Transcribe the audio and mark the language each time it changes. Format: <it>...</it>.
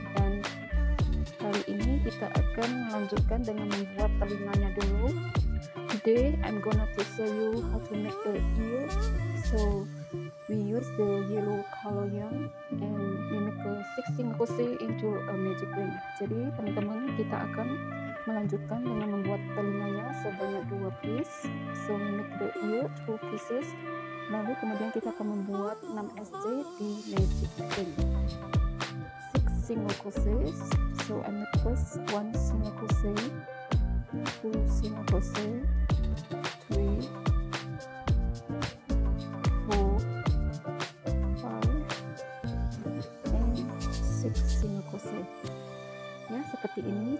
<id>Dan kali ini kita akan melanjutkan dengan membuat telinganya dulu.</id> <en>Today I'm gonna to show you how to make the ear. So we use the yellow color yarn and we make a 16 crochet into a magic ring.</en> <id>Jadi teman-teman, kita akan melanjutkan dengan membuat telinganya sebanyak 2 piece.</id> <en>So we make the ear 2 pieces.</en> <id>Lalu kemudian kita akan membuat 6 SC di magic ring.</id> <en>6 single crochets. So I make first 1 single crochet, 2 single crochet, 3, 4, 5, and 6 single crochet.</en> <id>Ya, seperti ini.</id>